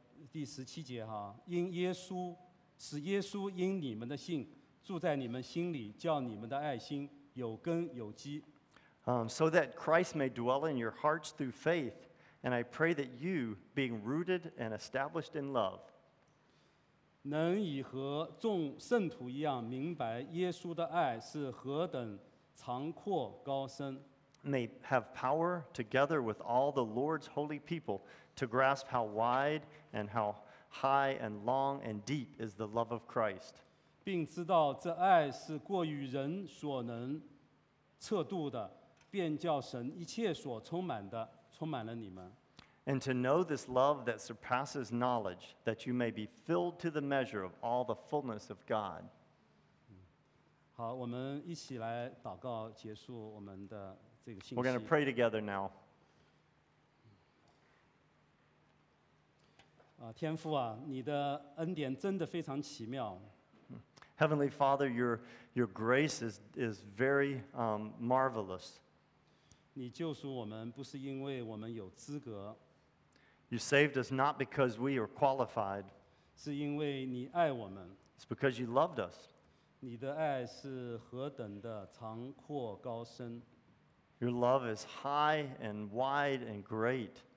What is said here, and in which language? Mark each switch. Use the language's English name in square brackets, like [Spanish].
[Chinese] 第十七节哈，因耶稣，使耶稣因你们的信住在你们心里，叫你们的爱心有根有基。 [English] So that Christ may dwell in your hearts through faith, And I pray that you, being rooted and established in love, [Chinese] 能以和众圣徒一样明白耶稣的爱是何等长阔高深。 [English] May have power together with all the Lord's holy people to grasp how wide and how high and long and deep is the love of Christ. [Chinese] 并知道这爱是过于人所能测度的，便叫神一切所充满的充满了你们。 [English] And to know this love that surpasses knowledge, that you may be filled to the measure of all the fullness of God. [Chinese] 好，我们一起来祷告，结束我们的这个信息。 [English] We're going to pray together now. [Chinese] 啊，天父啊，你的恩典真的非常奇妙。 [English] Heavenly Father, your grace is very marvelous. [Chinese] 你救赎我们不是因为我们有资格。 [English] You saved us not because we are qualified. It's because you loved us. Your love is high and wide and great.